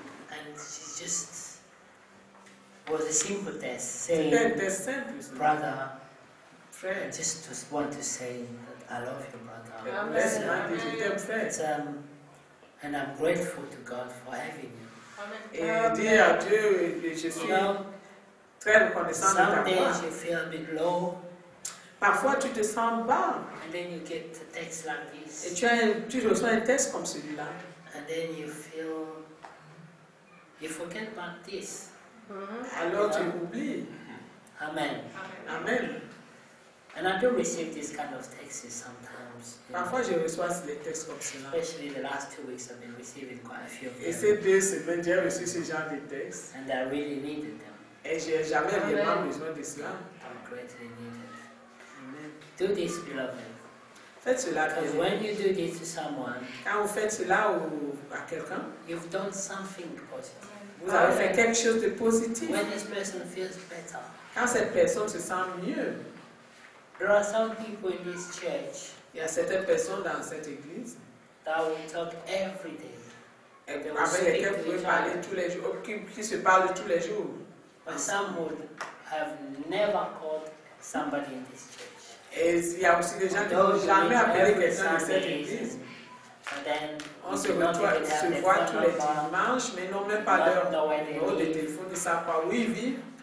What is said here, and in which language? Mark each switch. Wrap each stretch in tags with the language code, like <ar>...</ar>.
<en>And she just was a simple text saying,</en> <fr>c'est simple,</fr> <en>brother,</en> <fr>frère,</fr> <en>I just want to say that I love you, brother. Amen. And I'm grateful to God for having you. Amen.</en> <fr>Et dire à Dieu, je suis très reconnaissant de ta part.</fr> <en>You feel a bit low.</en> <fr>Parfois, tu te sens bas.</fr> <en>And then you get a text like this.</en> <fr>Et tu reçois un texte comme celui-là.</fr> <en>And then you feel you forget about this.</en> <fr>Alors tu oublies. Amen. Amen.</fr> <en>And I do receive these kind of texts sometimes.</en> <fr>Parfois, je reçois les textes comme cela.</fr> <en>Especially the last 2 weeks, I've been receiving quite a few of them.</en> <fr>Et ces deux semaines, j'ai reçu ce genre de textes.</fr> <en>And I really needed them.</en> <fr>Et j'ai jamais vraiment besoin de cela.</fr> <en>I'm greatly needed. Do this, beloved.</en> <fr>Faites cela.</fr> <en>Because when you do this to someone,</en> <fr>quand vous faites cela ou à quelqu'un,</fr> <en>you've done something positive.</en> <fr>Vous avez fait quelque chose de positif.</fr> <en>When this person feels better.</en> <fr>Quand cette personne se sent mieux.</fr> <en>There are some people in this church.</en> <fr>Il y a certaines personnes dans cette église.</fr> <en>That will talk every day.</en> <fr>Avec lesquelles vous pouvez parler tous les jours, qui se parlent tous les jours.</fr> <en>But some would have never called somebody in this church.</en> <fr>Et il y a aussi des gens qui n'ont jamais appelé quelqu'un dans cette église. On se voit tous les dimanches, mais n'ont même pas leur numéro de téléphone, ils ne savent pas où ils vivent.</fr>